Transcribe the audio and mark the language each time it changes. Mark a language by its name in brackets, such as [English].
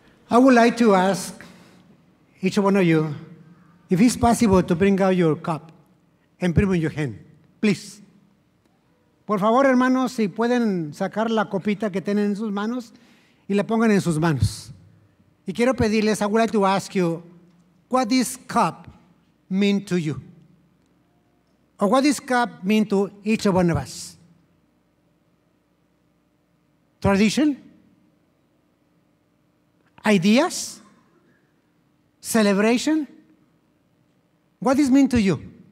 [English] I would like to ask each one of you if it's possible to bring out your cup and put it in your hand, please. [Spanish] Por favor, hermanos, si pueden sacar la copita que tienen en sus manos y la pongan en sus manos. Y quiero pedirles, [English] I would like to ask you, what this cup mean to you? Or what this cup mean to each one of us? Tradition? Ideas? Celebration? What this mean to you?